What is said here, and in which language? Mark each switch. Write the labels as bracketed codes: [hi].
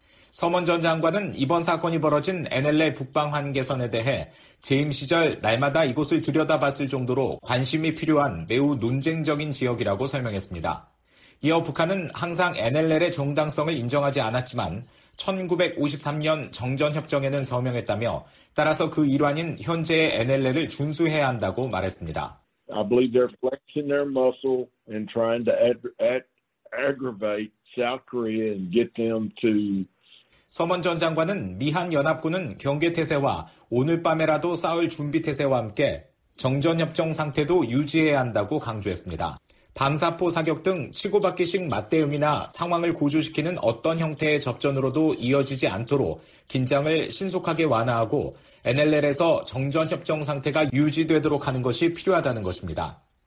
[ko] 서먼 전 장관은 이번 사건이 벌어진 NLL 북방 한계선에 대해 재임 시절 날마다 이곳을 들여다봤을 정도로 관심이 필요한 매우 논쟁적인 지역이라고 설명했습니다. 이어 북한은 항상 NLL의 정당성을 인정하지 않았지만 1953년 정전협정에는 서명했다며 따라서 그 일환인 현재의 NLL을 준수해야 한다고 말했습니다. [en] I believe they're flexing their muscle and trying to aggravate South Korea and get them to [ko] 서먼 전 장관은 미한연합군은 경계태세와 오늘 밤에라도 싸울 준비태세와 함께 정전협정 상태도 유지해야 한다고 강조했습니다. 방사포 사격 등 치고받기식 맞대응이나 상황을 고조시키는 어떤 형태의 접전으로도 이어지지 않도록 긴장을 신속하게 완화하고 NLL에서 정전협정 상태가 유지되도록 하는 것이 필요하다는 것입니다.